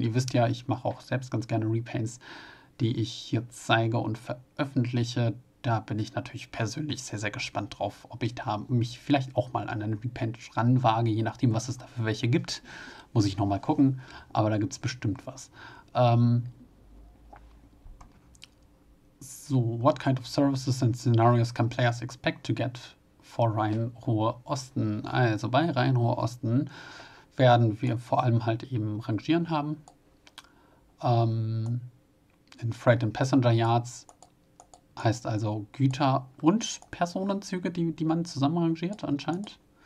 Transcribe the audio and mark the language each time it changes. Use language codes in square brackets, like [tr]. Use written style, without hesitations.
[de] Ihr wisst ja, ich mache auch selbst ganz gerne Repaints, die ich hier zeige und veröffentliche. Da bin ich natürlich persönlich sehr, sehr gespannt drauf, ob ich da mich vielleicht auch mal an einen Repaint ranwage, je nachdem, was es da für welche gibt. Muss ich nochmal gucken, aber da gibt es bestimmt was. [en] So, what kind of services and scenarios can players expect to get for Rhein-Ruhr Osten? [de] Also bei Rhein-Ruhr Osten werden wir vor allem halt eben Rangieren haben. [en] In Freight and Passenger Yards [de] heißt also Güter- und Personenzüge, die man zusammen rangiert anscheinend.